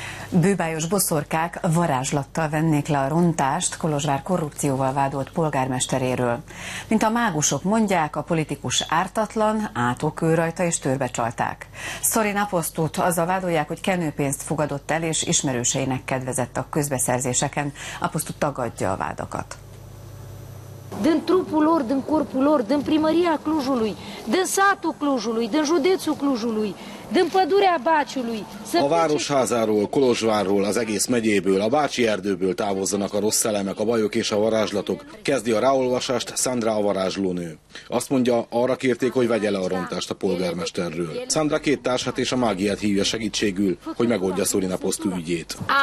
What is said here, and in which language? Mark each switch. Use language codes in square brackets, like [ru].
[hu] Bőbályos boszorkák varázslattal vennék le a rontást Kolozsvár korrupcióval vádolt polgármesteréről. Mint a mágusok mondják, a politikus ártatlan, átokő rajta és törbe csalták. Szorin Apostót azzal vádolják, hogy kenőpénzt fogadott el és ismerőseinek kedvezett a közbeszerzéseken. Apostó tagadja a vádakat. [ro] Din trupul lor, din corpul lor, din primăria Clujului, din satul Clujului, din județul Clujului, din pădurea Baciului. [hu] A városházáról, Kolozsvárról, az egész megyéből, a Bácsi erdőből távozzanak a rossz elemek, a bajok és a varázslatok. Kezdi a ráolvasást Sandra a varázslónő. Azt mondja, arra kérték, hogy vegye le a rontást a polgármesterről. Sandra két társát és a mágiát hívja segítségül, hogy megoldja Szorina posztú ügyét.